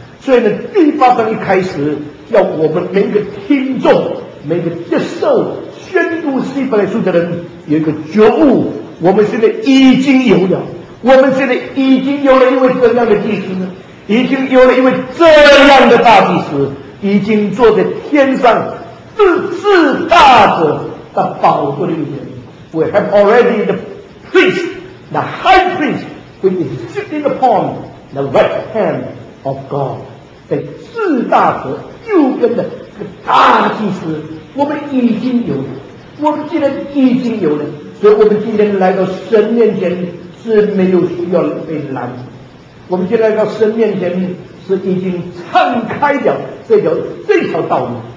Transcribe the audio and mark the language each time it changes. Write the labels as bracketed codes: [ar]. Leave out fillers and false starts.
[zh] 所以呢，第8章一开始要我们每个听众、每个接受宣读希伯来书的人有一个觉悟，我们现在已经有了，我们现在已经有了一位怎样的祭司呢？已经有了一位这样的大祭司，已经坐在天上自自大者的宝座里面。 [en] We have already the priest, the high priest, who is sitting upon the right hand of God. [zh] 在至大者右边的大祭司，我们已经有了，我们既然已经有了，所以我们今天来到神面前是没有需要被拦阻。我们今天来到神面前是已经敞开了这条道路。